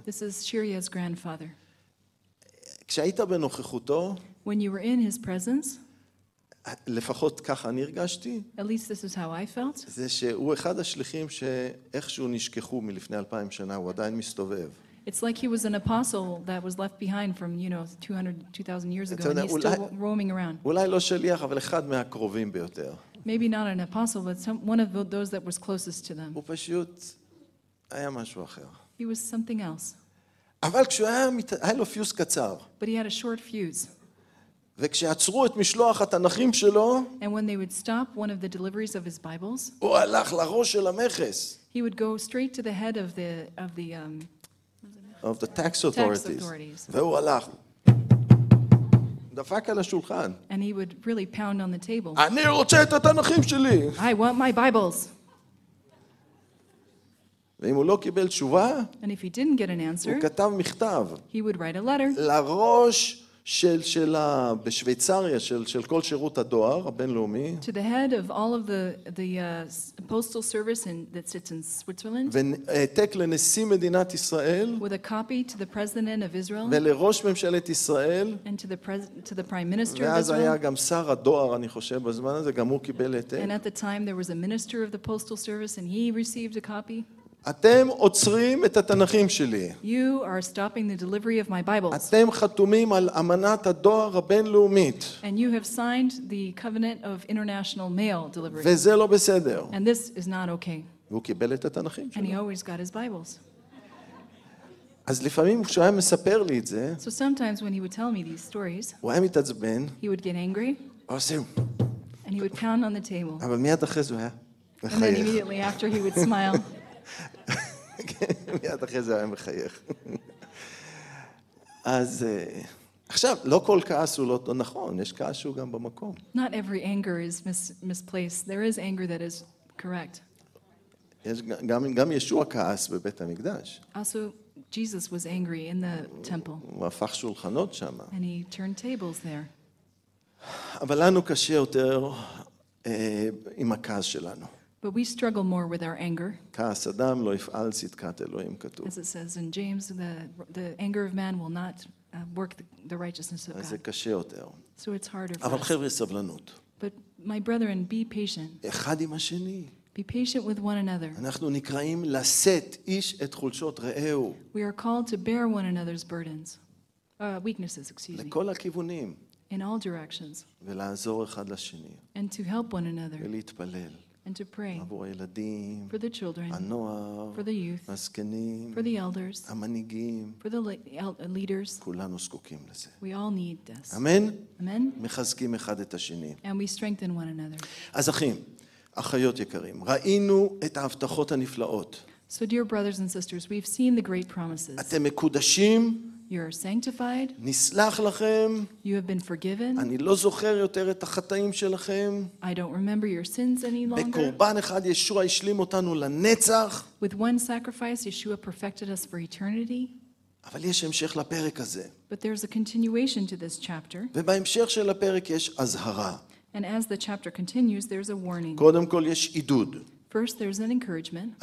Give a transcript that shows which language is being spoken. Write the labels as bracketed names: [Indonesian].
[English] This is Shiria's grandfather. [Hebrew] כשהיית בנוכחותו, [English] when you were in his presence, [Hebrew] לפחות ככה אני הרגשתי, [English] at least this is how I felt, [Hebrew] זה שהוא אחד השליחים שאיכשהו נשכחו מלפני 2000 שנה, הוא עדיין מסתובב. [English] It's like he was an apostle that was left behind from, you know, 2000 years ago, and he's still roaming around. [Hebrew] אולי לא שליח, אבל אחד מהקרובים ביותר. [English] Maybe not an apostle, but one of those that was closest to them. [Hebrew] הוא פשוט היה משהו אחר. [English] He was something else. [Hebrew] אבל כשהוא היה לו פיוס קצר. [English] But he had a short fuse. [Hebrew] וכשעצרו את משלוח התנכים שלו, [English] and when they would stop one of the deliveries of his Bibles, [Hebrew] הוא הלך לראש של המכס. [English] He would go straight to the head of the tax authorities. [Hebrew] והוא הלך. דפק על השולחן. [English] And he would really pound on the table. [Hebrew] אני רוצה את התנכים שלי. [English] I want my Bibles. [Hebrew] ואם הוא לא קיבל תשובה, [English] and if he didn't get an answer, [Hebrew] הוא כתב מכתב. [English] He would write a letter. [Hebrew] לראש של בשוויצריה של כל שירות הדואר הבינלאומי. [English] To the head of all of the postal service that sits in Switzerland. [Hebrew] והעתק לנשיא מדינת ישראל. [English] With a copy to the president of Israel. [Hebrew] ולראש ממשלת ישראל. [English] And to the prime minister of Israel. [Hebrew] ואז היה גם שר הדואר, אני חושב, בזמן הזה, גם הוא קיבל העתק. [English] And at the time there was a minister of the postal service and he received a copy. [Hebrew] אתם עוצרים את התנכים שלי. [English] You are stopping the delivery of my Bibles. [Hebrew] אתם חתומים על אמנת הדואר הבינלאומית. [English] And you have signed the covenant of international mail delivery. [Hebrew] וזה לא בסדר. [English] And this is not okay. [Hebrew] והוא קיבל את התנכים שלו. [English] And he always got his Bibles. [Hebrew] אז לפעמים כשהוא היה מספר לי את זה, [English] so sometimes when he would tell me these stories, [Hebrew] הוא היה מתעצבן. [English] He would get angry. And he would pound on the table. [Hebrew] אבל מיד אחרי זה הוא היה מחייך. [English] And then immediately after he would smile. מיד אחרי זה היה מחייך. [Hebrew] אז עכשיו, לא כל כעס הוא לא נכון, יש כעס שהוא גם במקום. [English] Not every anger is misplaced. There is anger that is correct. [Hebrew] יש גם ישוע כעס בבית המקדש. [English] Also, Jesus was angry in the temple. [Hebrew] הוא הפך שולחנות שם. [English] And he turned tables there. [Hebrew] אבל לנו קשה יותר עם הכעס שלנו. [English] But we struggle more with our anger. [Hebrew] כעס אדם לא יפעל צדקת אלוהים כתוב. [English] As it says in James, the anger of man will not work the righteousness of God. [Hebrew] אז זה קשה יותר. [English] So it's harder. [Hebrew] אבל חבר'ה, סבלנות. [English] But my brethren, be patient. [Hebrew] אחד עם השני. [English] Be patient with one another. [Hebrew] אנחנו נקראים לשאת איש את חולשות רעהו. [English] We are called to bear one another's burdens. Weaknesses, excuse me. [Hebrew] לכל הכיוונים. [English] In all directions. [Hebrew] ולעזור אחד לשני. [English] And to help one another. [Hebrew] ולהתפלל. [English] And to pray for the children, for the children, for the youth, for the elders, for the leaders. We all need this. Amen. Amen. [Hebrew] מחזקים אחד את השני. [English] And we strengthen one another. [Hebrew] אז אחים, אחיות יקרים, ראינו את ההבטחות הנפלאות. [English] So dear brothers and sisters, we've seen the great promises. [Hebrew] אתם מקודשים. [English] You are sanctified. [Hebrew] נסלח לכם. [English] You have been forgiven. [Hebrew] אני לא זוכר יותר את החטאים שלכם. [English] I don't remember your sins any longer. [Hebrew] בקורבן אחד ישוע השלים אותנו לנצח. [English] With one sacrifice Yeshua perfected us for eternity. [Hebrew] אבל יש המשך לפרק הזה. [English] But there's a continuation to this chapter. [Hebrew] ובהמשך של הפרק יש אזהרה. [English] And as the chapter continues, there's a warning. [Hebrew] קודם כל יש עידוד. First, there's an encouragement.